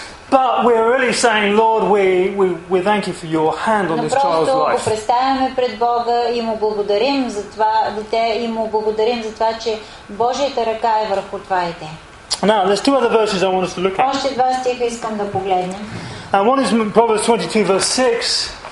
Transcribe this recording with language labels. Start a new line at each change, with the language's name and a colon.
English: But we're really saying, Lord, we thank you for your hand on this child's life.
Bulgarian: Но просто го представяме пред Бога и му благодарим за това дете и му благодарим за това, че Божията ръка е върху това дете.
English: Now, there's two other verses I want us to look at.
Bulgarian: Още два стиха искам да погледнем.
English: And one is Proverbs 22, verse 6.